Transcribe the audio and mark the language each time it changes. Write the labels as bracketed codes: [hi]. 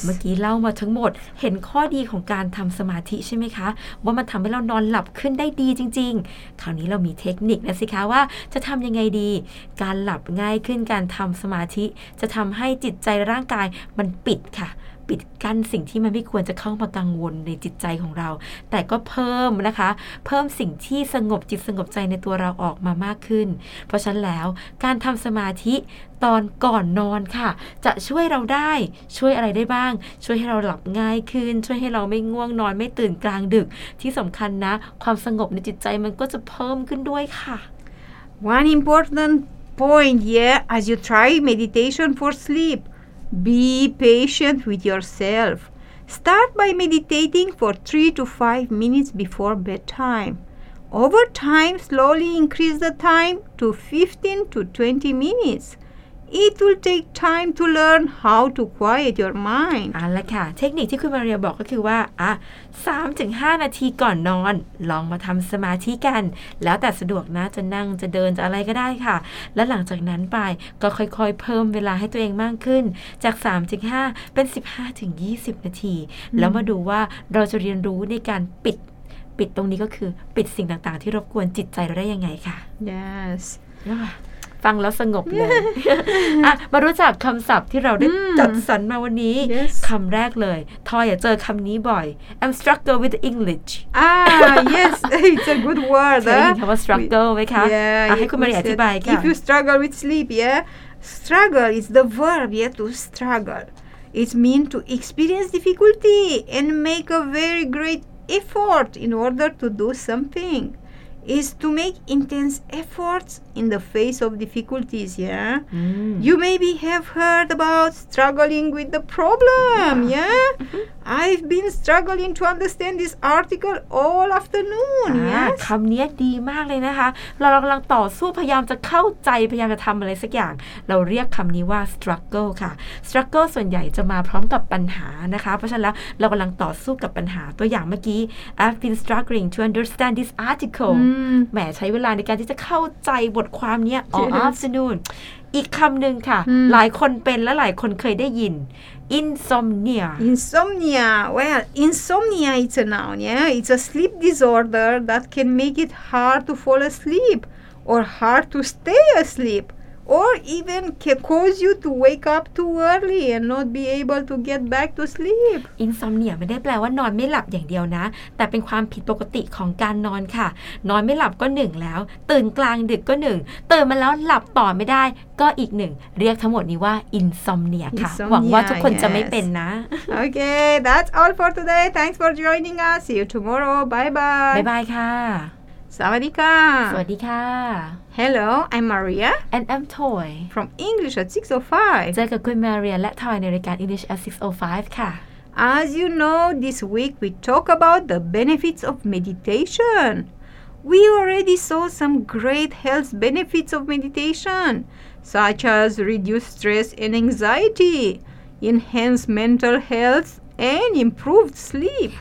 [th] เมื่อกี้เล่ามาทั้งหมดเห็นข้อดีของการทำสมาธิใช่ไหมคะว่ามันทำให้เรานอนหลับขึ้นได้ดีจริงๆคราวนี้เรามีเทคนิคนะสิคะว่าจะทำยังไงดี การหลับง่ายขึ้นการทำสมาธิจะทำให้จิตใจร่างกายมันปิดค่ะปิดกั้นสิ่งที่มันไม่ควรจะเข้ามากังวลในจิตใจของเราแต่ก็เพิ่มนะคะเพิ่มสิ่งที่สงบจิตสงบใจในตัวเราออกมามากขึ้นเพราะฉะนั้นแล้วการทำสมาธิตอนก่อนนอนค่ะจะช่วยเราได้ช่วยอะไรได้บ้างช่วยให้เราหลับง่ายขึ้นช่วยให้เราไม่ง่วงนอนไม่ตื่นกลางดึกที่สำคัญนะความสงบในจิตใจมันก็จะเพิ่มขึ้นด้วยค่ะ [en] One important point yeah as you try meditation for sleepBe patient with yourself. Start by meditating for 3 to 5 minutes before bedtime. Over time, slowly increase the time to 15 to 20 minutes. It will take time to learn how to quiet your mind. [th] อ่ะละค่ะเทคนิคที่คุณมาเรียบอกก็คือว่าอ่ะ 3-5 นาทีก่อนนอนลองมาทำสมาธิกันแล้วแต่สะดวกนะจะนั่งจะเดินจะอะไรก็ได้ค่ะแล้วหลังจากนั้นไปก็ค่อยๆเพิ่มเวลาให้ตัวเองมากขึ้นจาก 3-5 เป็น 15-20 นาที mm-hmm. แล้วมาดูว่าเราจะเรียนรู้ในการปิดตรงนี้ก็คือปิดสิ่งต่างๆที่รบกวนจิตใจเราได้ยังไงค่ะ [en] Yes [th] ฟังแล้วสงบเลย มารู้จักคำศัพท์ที่เราได้ จัดสรรมาวันนี้ [en] yes. [th] คำแรกเลยทอยอ่ะเจอคำนี้บ่อย [en] I'm struggle with English yes it's a good word [th] ใช่คำว่า struggle ไหมคะ [en] yeah, [th] ให้คุณมาอธิบายค่ะ [en] if you struggle with sleep yeah struggle is the verb yeah to struggle it means to experience difficulty and make a very great effort in order to do somethingis to make intense efforts in the face of difficulties, yeah? Mm. You maybe have heard about struggling with the problem, yeah? I've been struggling to understand this article all afternoon, yes? [th] คำนี้ดีมากเลยนะคะเรากำลังต่อสู้พยายามจะเข้าใจพยายามจะทำอะไรสักอย่างเราเรียกคำนี้ว่า struggle ค่ะ struggle ส่วนใหญ่จะมาพร้อมกับปัญหานะคะเพราะฉะนั้นแล้วเรากำลังต่อสู้กับปัญหาตัวอย่างเมื่อกี้ [en] I've been struggling to understand this article mm. [th] แหมใช้เวลาในการที่จะเข้าใจบทความนี้ [en] all afternoon [th] อีกคำหนึ่งค่ะ mm. หลายคนเป็นและหลายคนเคยได้ยินinsomnia [en] well insomnia is a noun yeah it's a sleep disorder that can make it hard to fall asleep or hard to stay asleep or even can cause you to wake up too early and not be able to get back to sleep [th] insomnia ไม่ได้แปลว่านอนไม่หลับอย่างเดียวนะแต่เป็นความผิดปกติของการนอนค่ะนอนไม่หลับก็1แล้วตื่นกลางดึกก็1ตื่นมาแล้วหลับต่อไม่ได้ก็อีกหนึ่งเรียกทั้งหมดนี้ว่า insomnia ค่ะหวังว่าทุกคน [en] yes. [th] จะไม่เป็นนะ [en] โอเค that's all for today thanks for joining us see you tomorrow bye bye bye bye ค่ะ [th] สวัสดีค่ะ สวัสดีค่ะ [en] hello I'm Maria and I'm Toy from English at 605 [th] เจอกับคุณ Maria และ Toy ในรายการ English at 605ค่ะ [en] as you know this week we talk about the benefits of meditation we already saw some great health benefits of meditationsuch as reduce stress and anxiety, enhance mental health, and improved sleep.